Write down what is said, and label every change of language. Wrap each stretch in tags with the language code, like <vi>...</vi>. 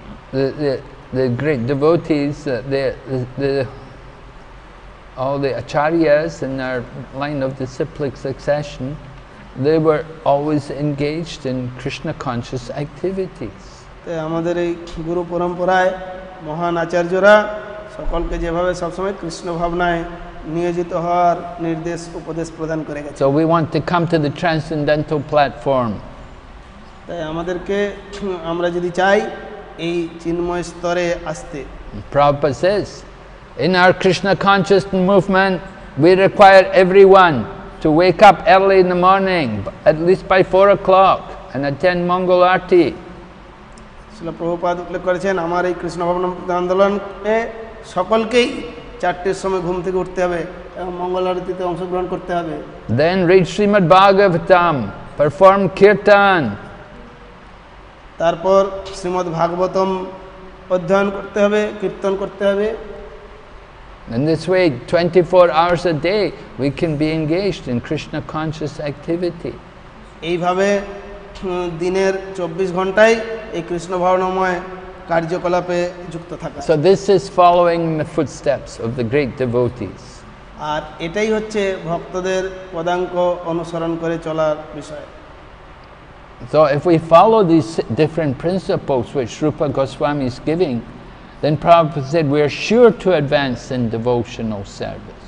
<en>The great devotees, all the acharyas in their line of disciplic succession, they were always engaged in Krishna conscious activities.</en> <bn>তে আমাদের এই গুরু পরম্পরায় মহান আচার্যরা সকলকে যেভাবে সব সময় কৃষ্ণ ভাবনায় নিয়োজিত হওয়ার নির্দেশ উপদেশ প্রদান করে গেছে।</bn> <en>So we want to come to the transcendental platform.</en> <bn>তে আমাদেরকে আমরা যদি চাই এই চিন্ময় স্তরে আসতে।</bn> <en>Prabhupada says, in our Krishna conscious movement, we require everyone to wake up early in the morning, at least by 4 o'clock, and attend Mangal Arti.</en> <bn>Srila Prabhupada উল্লেখ করেছেন, আমার এই কৃষ্ণ ভাবনা আন্দোলনে সকলকেই 4টার সময় ঘুম থেকে উঠতে হবে এবং মঙ্গল আরতিতে অংশগ্রহণ করতে হবে.</bn> <en>Then read Srimad Bhagavatam, perform kirtan.</en> <bn>তারপর শ্রীমদ ভাগবতম অধ্যয়ন করতে হবে, কীর্তন করতে হবে.</bn> <en>In this way, 24 hours a day, we can be engaged in Krishna conscious activity.</en> <bn>এইভাবে দিনের 24 ঘন্টায় এই কৃষ্ণ ভাবনাময় কার্যকলাপে যুক্ত থাকা।</bn> <en>So this is following in the footsteps of the great devotees.</en> <bn>আর এটাই হচ্ছে ভক্তদের পদাঙ্ক অনুসরণ করে চলার বিষয়।</bn> <en>So if we follow these different principles which Rupa Goswami is giving, then Prabhupada said, we are sure to advance in devotional service.</en>